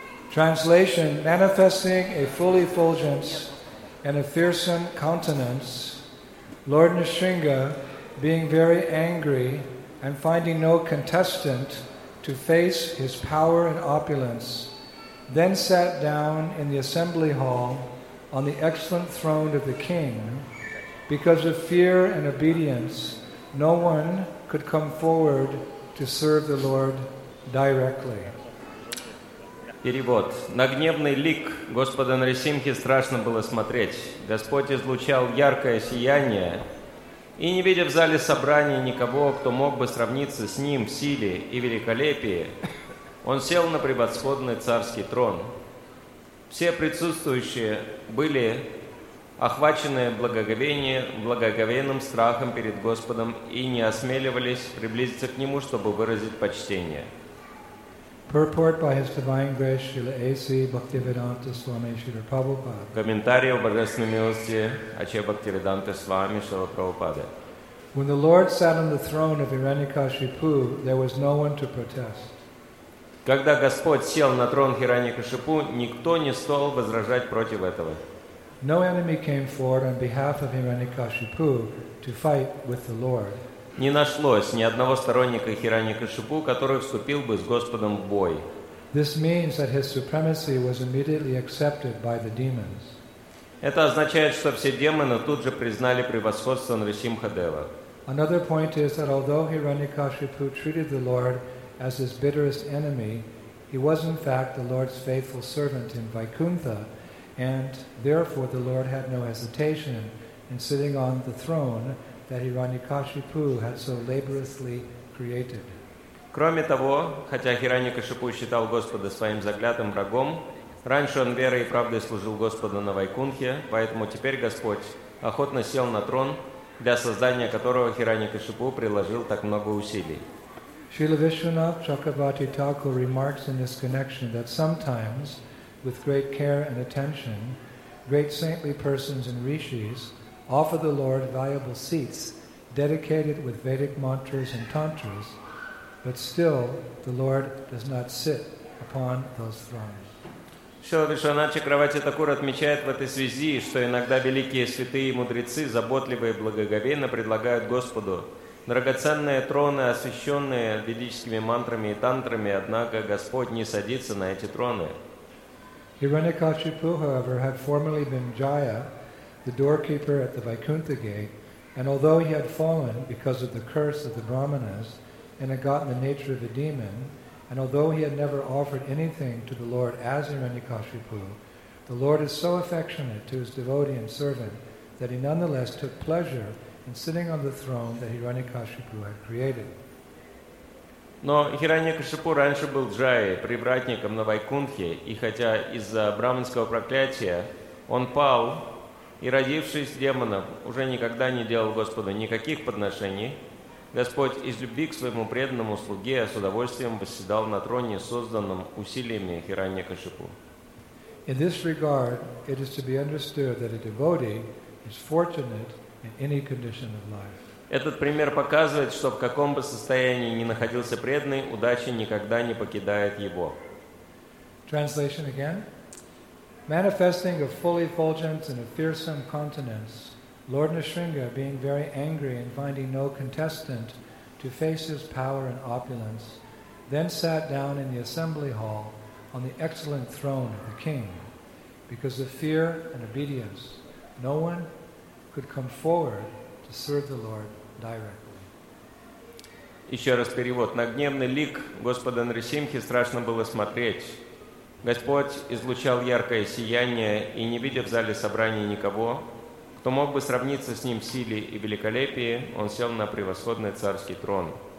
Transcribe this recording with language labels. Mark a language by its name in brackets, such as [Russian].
[English] Translation: manifesting a full effulgence and a fearsome countenance, Lord Nrisimha, being very angry and finding no contestant to face his power and opulence, then sat down in the assembly hall on the excellent throne of the king. Because of fear and obedience, no one could come forward to serve the Lord directly. [Russian] Перевод. На гневный лик Господа Нрисимхи страшно было смотреть. Господь излучал яркое сияние, и не видя в зале собрания никого, кто мог бы сравниться с ним в силе и великолепии, он сел на превосходный царский трон. Все присутствующие были охвачены благоговейным страхом перед Господом и не осмеливались приблизиться к Нему, чтобы выразить почтение. [English] Purport by His Divine Grace Srila A.C. Bhaktivedanta Swami Srila Prabhupada. [Russian] Комментарий о Божественной милости Ача Бхактивиданта Свами Шрила Прабхупады. [English] When the Lord sat on the throne of Hiranyakashipu, there was no one to protest. [Russian] Когда Господь сел на трон Хираньякашипу, никто не стал возражать против этого. [English] No enemy came forward on behalf of Hiranyakashipu to fight with the Lord. [Russian] Не нашлось ни одного сторонника Хираньякашипу, который вступил бы с Господом в бой. [English] This means that his supremacy was immediately accepted by the demons. [Russian] Это означает, что все демоны тут же признали превосходство Нрисимхадева. [English] Another point is that although Hiranyakashipu treated the Lord as his bitterest enemy, he was in fact the Lord's faithful servant in Vaikuntha, and therefore the Lord had no hesitation in sitting on the throne that Hiranyakashipu had so laboriously created. [Russian] Кроме того, хотя Хираньякашипу считал Господа своим заклятым врагом, раньше он верой и правдой служил Господу на Вайкунхе, поэтому теперь Господь охотно сел на трон, для создания которого Хираньякашипу приложил так много усилий. [English] Srila Vishwanath Chakravarti Thakur remarks in this connection that sometimes, with great care and attention, great saintly persons and rishis offer the Lord valuable seats dedicated with Vedic mantras and tantras, but still the Lord does not sit upon those thrones. [Russian] Шрила Вишванатха Чакравати Такур отмечает в этой связи, что иногда великие святые и мудрецы заботливо и благоговейно предлагают Господу драгоценные троны, освященные ведическими мантрами и тантрами, однако Господь не садится на эти троны. [English] Hiranyakashipu, however, had formerly been Jaya, the doorkeeper at the Vaikuntha gate, and although he had fallen because of the curse of the Brahmanas and had gotten the nature of a demon, and although he had never offered anything to the Lord as Hiranyakashipu, the Lord is so affectionate to his devotee and servant that he nonetheless took pleasure in sitting on the throne that Hiranyakashipu had created. [Russian] Но Хираньякашипу раньше был Джаей, привратником на Вайкунтхе, и хотя из-за браманского проклятия он пал, и, родившись демоном, уже никогда не делал Господу никаких подношений, Господь из любви к своему преданному слуге с удовольствием восседал на троне, созданном усилиями Хираньякашипу. [English] In this regard, it is to be understood that a devotee is fortunate in any condition of life. [Russian] Этот пример показывает, что в каком бы состоянии ни находился преданный, удача никогда не покидает его. [English] Translation again. Manifesting a full effulgence and a fearsome countenance, Lord Nrisimha, being very angry and finding no contestant to face his power and opulence, then sat down in the assembly hall on the excellent throne of the king. Because of fear and obedience, no one could come forward to serve the Lord directly. [Russian] Еще раз перевод. На гневный лик Господа Нарисимхи страшно было смотреть. Господь излучал яркое сияние, и не видя в зале собрания никого, кто мог бы сравниться с ним в силе и великолепии, он сел на превосходный царский трон.